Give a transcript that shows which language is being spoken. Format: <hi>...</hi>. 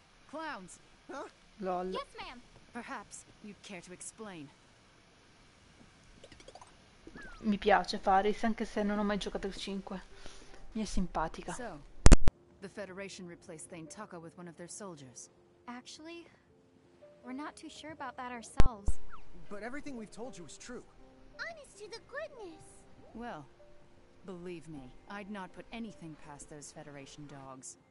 <en>Clowns. Huh? Lol. Yes, ma'am. Perhaps you'd care to explain.</en> <it>Mi piace Faris, anche se non ho mai giocato il 5. Mi è simpatica.</it> <en>So, the Federation replaced Thane Tucka with one of their soldiers. Actually, we're not too sure about that ourselves. But everything we've told you is true. Honest to the goodness. Well, Believe me, I'd not put anything past those Federation dogs.</en>